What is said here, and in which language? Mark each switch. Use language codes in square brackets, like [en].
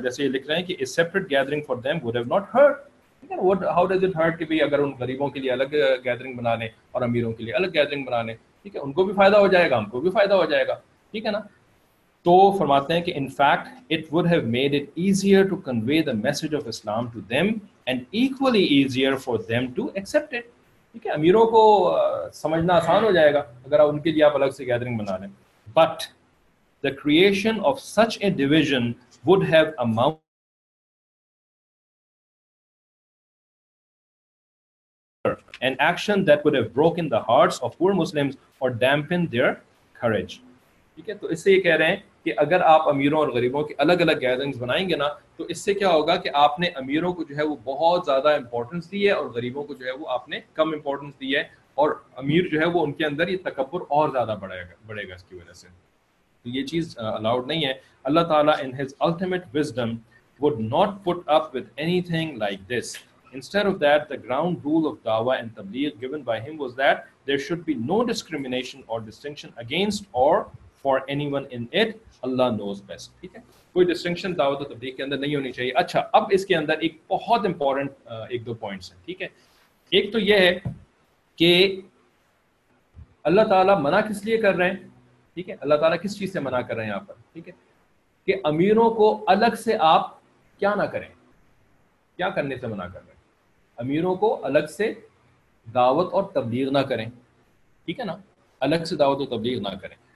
[ur] جیسے یہ لکھ رہے ہیں کہ [en] A separate gathering for them would have not hurt. What how does it hurt [ur] کہ بھائی اگر ان غریبوں کے لیے الگ گیدرنگ بنا لیں اور امیروں کے لیے الگ گیدرنگ بنا لیں, ٹھیک ہے, ان کو بھی فائدہ ہو جائے گا, ہم کو بھی فائدہ ہو جائے گا, ٹھیک ہے نا. تو فرماتے ہیں کہ [en] In fact it would have made it easier to convey the message of Islam to them and equally easier for them to accept it, ٹھیک ہے. [ur] امیروں کو سمجھنا آسان ہو جائے گا اگر ان کے لیے آپ الگ سے گیدرنگ بنا لیں. [en] But the creation of such a division would have amount an action that would have broken the hearts of poor Muslims or dampened their courage. [ur] ٹھیک ہے, تو اس سے یہ کہہ رہے ہیں کہ اگر آپ امیروں اور غریبوں کی الگ الگ گیدرنگز بنائیں گے نا, تو اس سے کیا ہوگا کہ آپ نے امیروں کو جو ہے وہ بہت زیادہ امپورٹنس دی ہے اور غریبوں کو جو ہے وہ آپ نے کم امپورٹنس دی ہے, اور امیر جو ہے وہ ان کے اندر یہ تکبر اور زیادہ بڑھے گا اس کی وجہ سے. تو یہ چیز الاؤڈ نہیں ہے. [en] اللہ تعالیٰ in his ultimate wisdom would not put up with anything like this. Instead of that, the ground rule of da'wah and tabligh given by him was that there should be no discrimination or distinction against or for anyone in it. Allah knows best. [ur] ٹھیک ہے, کوئی distinction دعوت و تبلیغ کے اندر نہیں ہونی چاہیے. اچھا اب اس کے اندر ایک بہت امپورٹنٹ ایک دو پوائنٹس ہیں, ٹھیک ہے. ایک تو یہ ہے کہ اللہ تعالیٰ منع کس لیے کر رہے ہیں, ٹھیک ہے, اللہ تعالیٰ کس چیز سے منع کر رہے ہیں یہاں پر, ٹھیک ہے, کہ امیروں کو الگ سے آپ کیا نہ کریں, کیا کرنے سے منع کر رہے ہیں, امیروں کو الگ سے دعوت اور تبلیغ نہ کریں, ٹھیک ہے نا, الگ سے دعوت و تبلیغ نہ کریں.